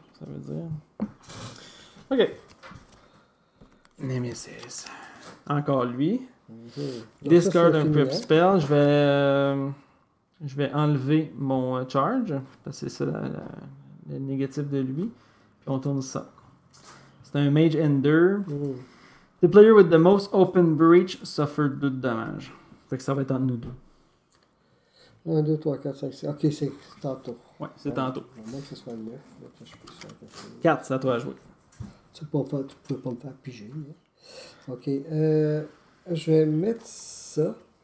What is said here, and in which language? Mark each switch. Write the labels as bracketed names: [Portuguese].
[French] Ça veut dire. Ok. Nemesis. Encore lui. Okay. Discard un prep spell. Je vais enlever mon charge. Parce que c'est ça le négatif de lui. Puis on tourne ça. C'est un Mage Ender. Mm. [English] The player with the most open breach suffered 2 de damage. [French] Fait que ça va être entre nous deux. 1, 2, 3, 4, 5, 6. Ok, c'est tantôt. Ouais, c'est tantôt. Au moins que ce soit 9. 4, c'est à toi à jouer. Tu peux pas me faire piger. Hein? Ok. Je vais mettre ça.